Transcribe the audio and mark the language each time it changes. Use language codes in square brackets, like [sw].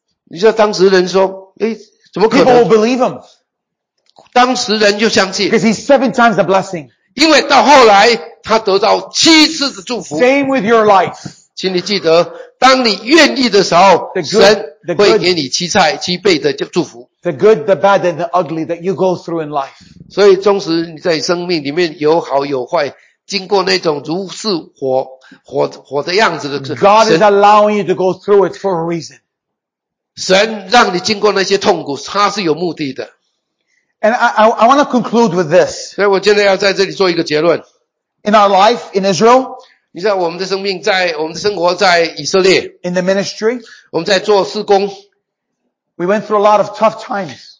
[zh] 你知道当时人说，哎，怎么可能？ [en] People will believe him. [zh] 当时人就相信。 [en] Because he's 7 times the blessing. [zh] 因为到后来，他得到7次的祝福。 [en] Same with your life. [zh] 请你记得，当你愿意的时候，神会给你7倍的祝福。 [en] The good, the bad, and the ugly that you go through in life. [zh] 所以，纵使你在生命里面有好有坏，经过那种如是火的样子的， [en] God is allowing you to go through it for a reason. [zh] 神让你经过那些痛苦，他是有目的的。 [en] And I want to conclude with this. In our life in Israel, in the ministry, we went through a lot of tough times.